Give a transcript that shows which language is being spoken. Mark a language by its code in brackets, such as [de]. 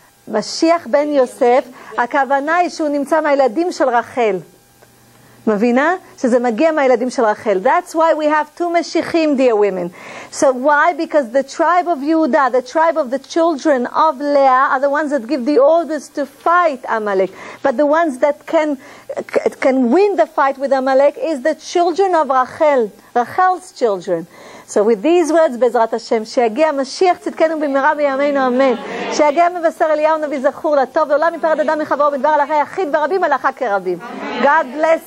[he] Mashiach ben Yosef, הכוונה היא שהוא נמצא מהילדים של רחל. מבינה? שזה מגיע מהילדים של רחל. [en] That's why we have two משיחים, dear women. So why? Because the tribe of Yehuda, the tribe of the children of Leah, are the ones that give the orders to fight Amalek. But the ones that can win the fight with Amalek is the children of Rachel, Rachel's children. So with these words, [he] Bezrat Hashem, שיגיע משיח צדקנו במהרה בימינו, אמן. שיגיע מבשר אליהו נביא זכור לטוב, ועולם מפרד אדם מחברו, בדבר הלכה יחיד ורבים הלכה כרבים. [en] God bless.